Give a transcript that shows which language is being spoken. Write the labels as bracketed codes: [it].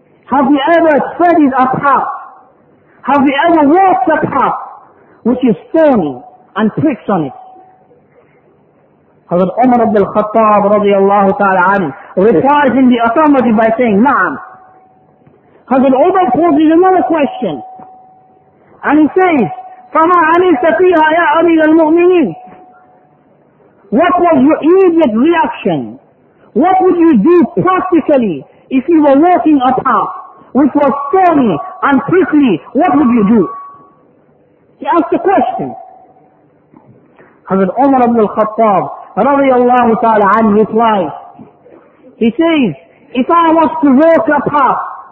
[en] Have you ever treaded a path? Have you ever walked a path which is thorny and pricks on it? Hazrat Umar ibn al-Khattab radiallahu ta'ala anhu replies in the affirmative by saying, Naam. Hazrat Umar poses another question. And he says, [ar] فَمَا عَمِلْتَ فِيهَا يَا أَمِيرَ الْمُؤْمِنِينَ. [en] What was your immediate reaction? What would you do practically if you were walking a path which was thorny and prickly, what would you do? He asked the question. Hazrat Umar ibn al-Khattab radiallahu ta'ala anhu replied. He says, if I was to walk a path